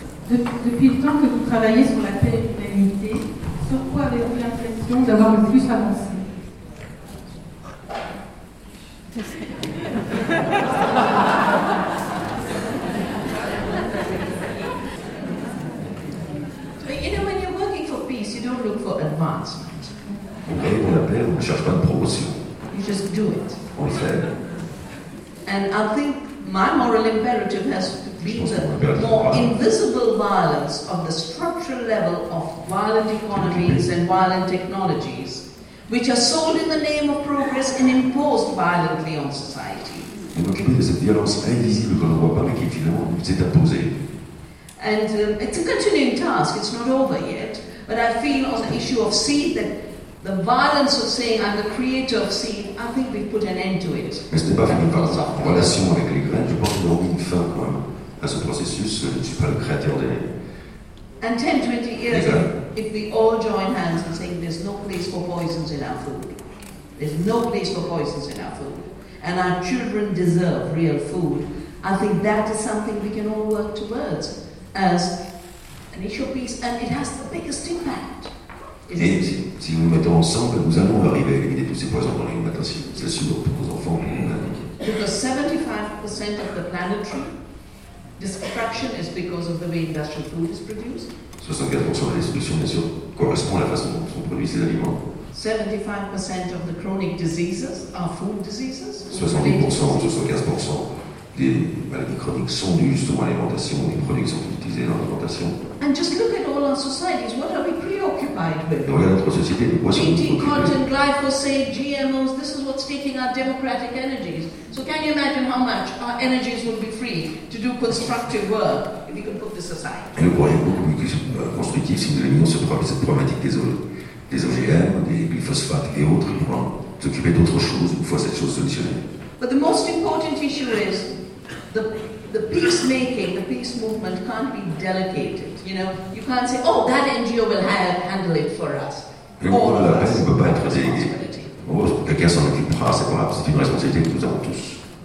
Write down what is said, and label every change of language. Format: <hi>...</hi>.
<fr>Depuis le temps que vous travaillez sur la paix et l'humanité, sur quoi avez-vous l'impression d'avoir le plus avancé?</fr> <en>You know, when you're working for peace, you don't look for advancement.</en> <fr>Okay, pour la paix, on ne cherche pas de promotion.</fr> <en>You just do it.</en> <fr>On le fait.</fr> <en>And I think my moral imperative has the more invisible violence of the structural level of violent economies and violent technologies, which are sold in the name of progress and imposed violently on society.</en> <fr>Et m'occuper de cette violence invisible qu'on ne voit pas, mais qui finalement nous est imposée.</fr> <en>And it's a continuing task, it's not over yet. But I feel on the issue of seed that the violence of saying I'm the creator of seed, I think we've put an end to it.</en> <fr>Mais ce n'est pas fini par la relation avec les graines, je pense qu'on a mis une fin quand même. À ce processus, je ne suis pas le créateur des.</fr> <en>And 10-20 years, if we all join hands and say there's no place for poisons in our food, there's no place for poisons in our food, and our children deserve real food, I think that is something we can all work towards as an issue of peace, and it has the biggest impact.</en> <fr>Et si, Si nous nous mettons ensemble, nous allons arriver à éliminer tous ces poisons dans l'alimentation. C'est sûr pour nos enfants, pour nos amis.</fr> <en>Because 75% of the planetary destruction is because of the way industrial food is produced.</en> <fr>75% de la destruction, bien sûr, correspond à la façon dont sont produits ces aliments.</fr> <en>75% of the chronic diseases are food diseases.</en> <fr>70% ou 75% des maladies chroniques sont dues justement à l'alimentation, les produits qui sont utilisés dans l'alimentation.</fr> <en>And just look at all our societies, what are we preoccupied with?</en> <fr>Et regarde notre société, de quoi sont-nous préoccupés?</fr> <en>Cotton, glyphosate, GMOs, this is what's taking our democratic energies. So can you imagine how much our energies would be free to do constructive work if we could put this aside?</en> <fr>Et nous croyons beaucoup plus constructif si nous éliminons cette problématique des zones. Des OGM, des glyphosates et autres, pour s'occuper d'autres choses une fois cette chose solutionnée.</fr> <en>But the most important issue is the peacemaking, the peace movement can't be delegated. You know, you can't say, oh, that NGO will handle it for us.</en> <fr>Le mot de la paix ne peut pas être délégué. En gros, quelqu'un s'en occupera, c'est pas grave, c'est une responsabilité que nous avons tous.</fr>